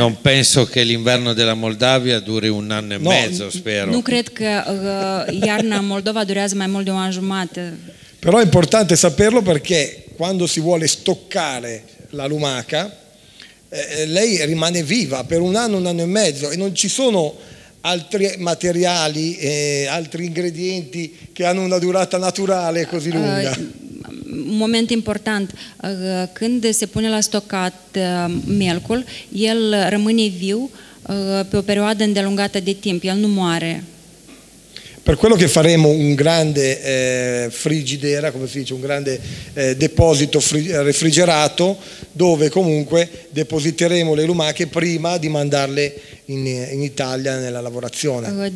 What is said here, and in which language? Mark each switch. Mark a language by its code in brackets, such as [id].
[it] Non penso che l'inverno della Moldavia dure un anno e mezzo, spero. [ro] Nu cred că iarna în Moldova durează mai mult de un an jumate. [it] Però è importante saperlo perché quando si vuole stoccare la lumaca, lei rimane viva per un anno e mezzo e non ci sono altri materiali, altri ingredienti che hanno una durata naturale così lunga. [ro] Un moment important, când se pune la stocat melcul, el rămâne viu pe o perioadă îndelungată de timp, el nu moare. [it] Per quello che faremo un grande frigidera, come si dice, un grande deposito refrigerato, dove comunque depositeremo le lumache prima di mandarle in Italia nella lavorazione.